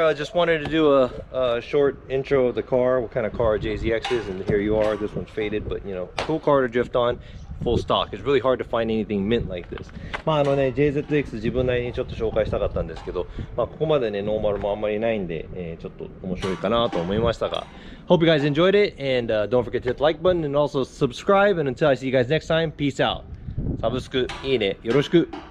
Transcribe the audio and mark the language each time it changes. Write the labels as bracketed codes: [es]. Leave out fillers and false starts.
[en] I just wanted to do a short intro of the car, what kind of car JZX is, and here you are. This one's faded, but you know, cool car to drift on. Full stock. It's really hard to find anything mint like this. [ja] まあね、JZX 自分なりにちょっと紹介したかったんですけど、まあここまでね、ノーマルもあんまりないんで、ちょっと面白いかなと思いましたが。 [en] Hope you guys enjoyed it, and don't forget to hit the like button and also subscribe. And until I see you guys next time, peace out. [ja] サブスク、いいね、よろしく。